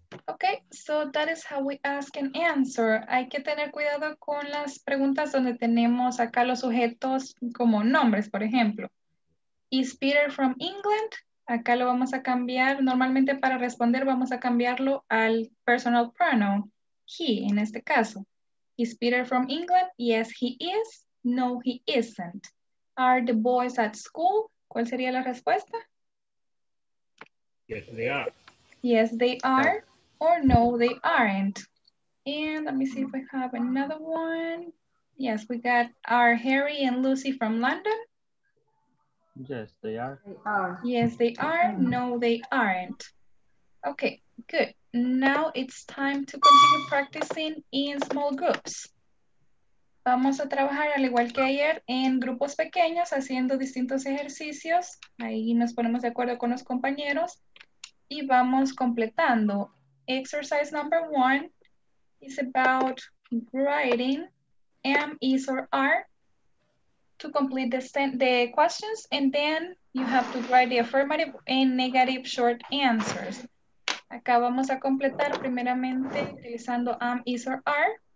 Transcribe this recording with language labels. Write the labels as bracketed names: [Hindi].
[English] Okay, so that is how we ask and answer. [Spanish] Hay que tener cuidado con las preguntas donde tenemos acá los sujetos como nombres, por ejemplo. [English] Is Peter from England? [Spanish] Acá lo vamos a cambiar. Normalmente para responder vamos a cambiarlo al [English] personal pronoun, [Spanish] he, en este caso. [English] Is Peter from England? Yes, he is. No, he isn't. Are the boys at school? [Spanish] ¿Cuál sería la respuesta? [English] Yes, they are. Yes, they are, or no, they aren't. And let me see if we have another one. Yes, we got, are Harry and Lucy from London? Yes, they are. They are. Yes, they are. No, they aren't. Okay, good. Now it's time to continue practicing in small groups. [Spanish] Vamos a trabajar al igual que ayer en grupos pequeños haciendo distintos ejercicios. Ahí nos ponemos de acuerdo con los compañeros y vamos completando. [English] Exercise number one is about writing am, is, or are to complete the questions, and then you have to write the affirmative and negative short answers. [Spanish] Acá vamos a completar primeramente utilizando am, is, or are.